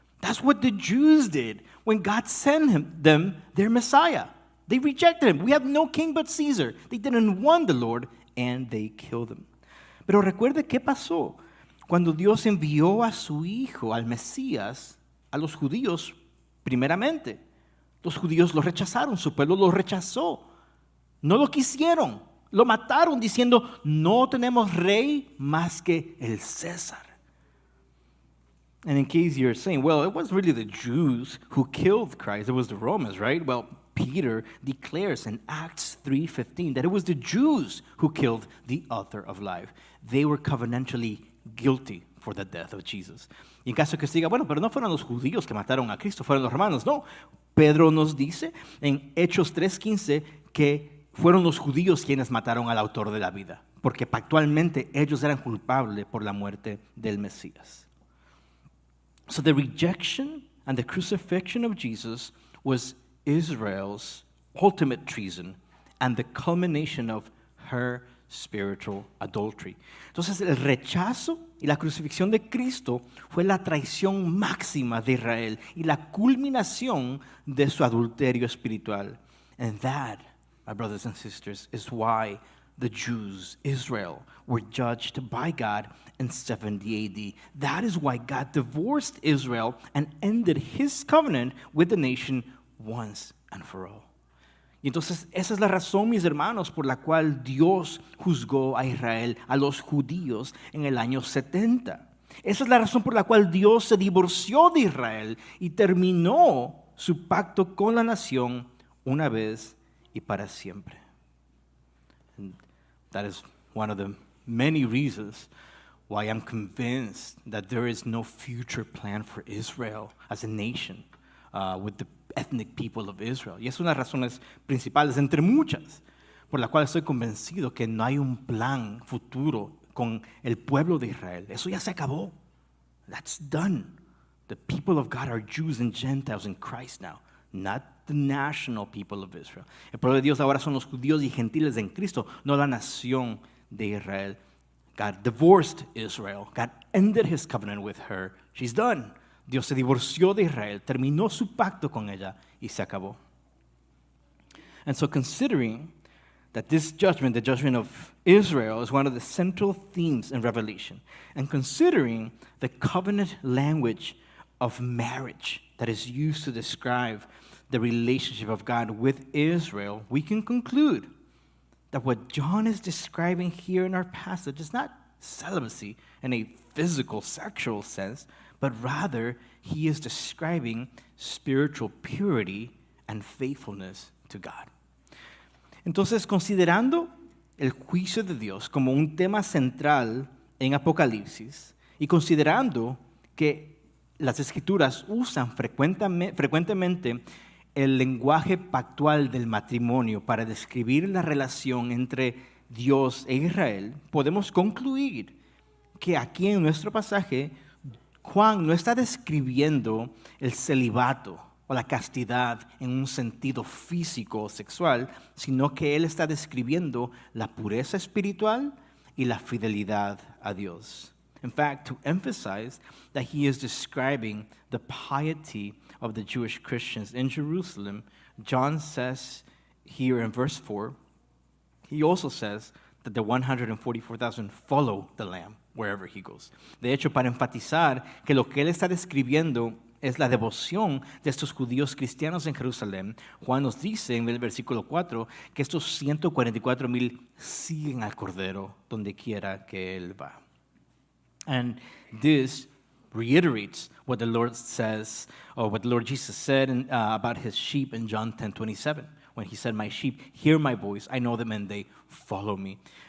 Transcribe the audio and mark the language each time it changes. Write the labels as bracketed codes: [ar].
[en] That's what the Jews did when God sent them their Messiah. They rejected him. We have no king but Caesar. They didn't want the Lord and they killed him. [es] Pero recuerde qué pasó cuando Dios envió a su hijo, al Mesías, a los judíos primeramente. Los judíos lo rechazaron, su pueblo lo rechazó. No lo quisieron, lo mataron diciendo, no tenemos rey más que el César. [en] And in case you're saying, well, it wasn't really the Jews who killed Christ, it was the Romans, right? Well, Peter declares in Acts 3:15 that it was the Jews who killed the author of life. They were covenantally guilty for the death of Jesus. [es] Y en caso que usted diga, bueno, pero no fueron los judíos que mataron a Cristo, fueron los romanos. No, Pedro nos dice en Hechos 3:15 que fueron los judíos quienes mataron al autor de la vida, porque pactualmente ellos eran culpables por la muerte del Mesías. [en] So the rejection and the crucifixion of Jesus was Israel's ultimate treason and the culmination of her spiritual adultery. [es] Entonces, el rechazo y la crucifixión de Cristo fue la traición máxima de Israel y la culminación de su adulterio espiritual. [en] And that, my brothers and sisters, is why the Jews, Israel, were judged by God in 70 AD. That is why God divorced Israel and ended his covenant with the nation once and for all. [es] Y entonces, esa es la razón, mis hermanos, por la cual Dios juzgó a Israel, a los judíos, en el año 70. Esa es la razón por la cual Dios se divorció de Israel y terminó su pacto con la nación una vez y para siempre. [en] And that is one of the many reasons why I'm convinced that there is no future plan for Israel as a nation with the ethnic people of Israel. [es] Y es una de las razones principales, entre muchas, por la cual estoy convencido que no hay un plan futuro con el pueblo de Israel. Eso ya se acabó. [en] That's done. The people of God are Jews and Gentiles in Christ now, not the national people of Israel. [es] El pueblo de Dios ahora son los judíos y gentiles en Cristo, no la nación de Israel. [en] God divorced Israel. God ended his covenant with her. She's done. [es] Dios se divorció de Israel, terminó su pacto con ella y se acabó. [en] And so considering that this judgment, the judgment of Israel, is one of the central themes in Revelation, and considering the covenant language of marriage that is used to describe the relationship of God with Israel, we can conclude that what John is describing here in our passage is not celibacy in a physical, sexual sense, but rather, he is describing spiritual purity and faithfulness to God. [es] Entonces, considerando el juicio de Dios como un tema central en Apocalipsis, y considerando que las Escrituras usan frecuentemente el lenguaje pactual del matrimonio para describir la relación entre Dios e Israel, podemos concluir que aquí en nuestro pasaje, Juan no está describiendo el celibato o la castidad en un sentido físico o sexual, sino que él está describiendo la pureza espiritual y la fidelidad a Dios. [en] In fact, to emphasize that he is describing the piety of the Jewish Christians in Jerusalem, John says here in verse 4, he also says that the 144,000 follow the Lamb wherever he goes. [es] De hecho, para enfatizar que lo que él está describiendo es la devoción de estos judíos cristianos en Jerusalén, Juan nos dice en el versículo 4 que estos 144,000 siguen al Cordero donde quiera que él va. [en] And this reiterates what the Lord says, or what the Lord Jesus said in, about his sheep in John 10:27. When he said, my sheep hear my voice, I know them and they follow me.